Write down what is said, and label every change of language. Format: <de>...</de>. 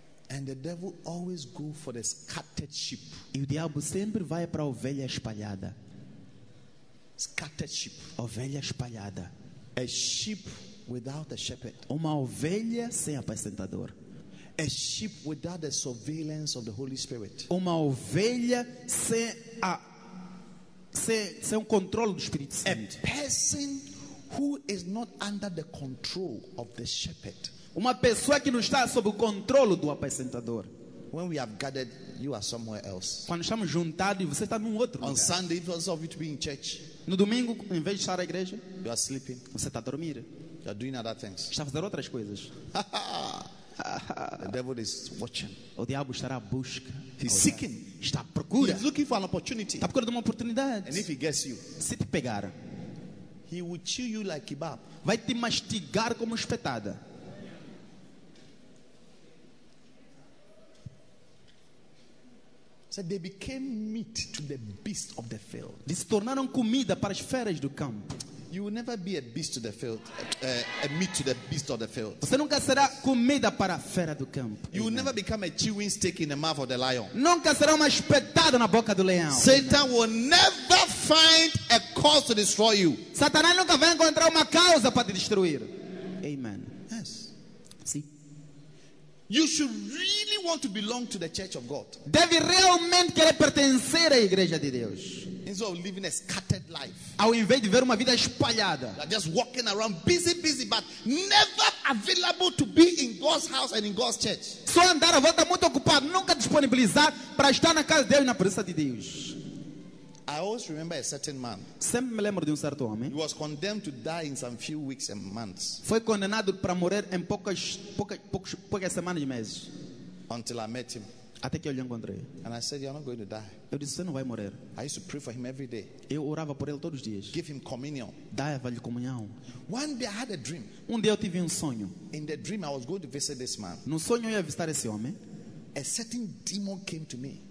<en>And the devil always go for the scattered sheep.</en> <pt>E o diabo sempre vai para a ovelha espalhada.</pt> <en>Scattered sheep.</en> <pt>Ovelha espalhada.</pt> <en>A sheep without a shepherd.</en> <pt>Uma ovelha sem apacentador.</pt> <en>A sheep without the surveillance of the Holy Spirit.</en> <pt>Uma ovelha sem controle do Espírito Santo.</pt> <en>A person who is not under the control of the shepherd.</en> <pt>Uma pessoa que não está sob o controle do apacentador.</pt> <en>When we have gathered, you are somewhere else.</en> <pt>Quando estamos juntados, você está num outro</pt> <en>on</en> <pt>lugar.</pt> <en>Sunday, because of you to be in church.</en> <pt>No domingo, em vez de estar na igreja,</pt> <en>you are sleeping.</en> <pt>Você está a dormir.</pt> <en>You are doing other things.</en> <pt>Está a fazer outras coisas.</pt> <en>The devil is watching.</en> <pt>O diabo estará à busca.</pt> <en>He's seeking.</en> <pt>Está à procura.</pt> <en>He's looking for an opportunity.</en> <pt>Está à procura de uma oportunidade.</pt> <en>And if he gets you,</en> <pt>se te pegar,</pt> <en>he will chew you like kebab.</en> <pt>Vai te mastigar como espetada.</pt> <en>So they became meat to the beast of the field.</en> <pt>Eles se tornaram comida para as feras do campo.</pt> <en>You will never be a beast to the field, a meat to the beast of the field.</en> <pt>Você nunca será comida para a fera do campo.</pt> <en>You will never become a chewing stick in the mouth of the lion.</en> <pt>Nunca será uma espetada na boca do leão.</pt> <en>Satan will never find a cause to destroy you.</en> <pt>Satanás nunca vai encontrar uma causa para te destruir.</pt> <en>Amen. Yes.</en> <pt>Sim.</pt> <en>You should really want to belong to the church of God.</en> <pt>Deve realmente querer pertencer à igreja de Deus.</pt> <en>Instead of living a scattered life.</en> <pt>Ao invés de ver uma vida espalhada.</pt> <en>Like just walking around busy, but never available to be in God's house and in God's church.</en> <pt>Só andar à volta muito ocupado, nunca disponibilizar para estar na casa de Deus, na presença de Deus.</pt> <en>I always remember a certain man.</en> <pt>Sempre me lembro de certo homem.</pt> <en>He was condemned to die in some few weeks and months.</en> <pt>Foi condenado para morrer em poucas semanas e meses.</pt> <en>Until I met him.</en> <pt>Até que eu lhe encontrei.</pt> <en>And I said, "You're not going to die."</en> <pt>Eu disse, você não vai morrer.</pt> <en>I used to pray for him every day.</en> <pt>Eu orava por ele todos os dias.</pt> <en>Give him communion.</en> <pt>Dava-lhe comunhão.</pt> <en>One day I had a dream.</en> <pt>Um dia eu tive um sonho.</pt> <en>In the dream I was going to visit this man.</en> <pt>No sonho eu ia visitar esse homem.</pt> <en>A certain demon came to me.</en>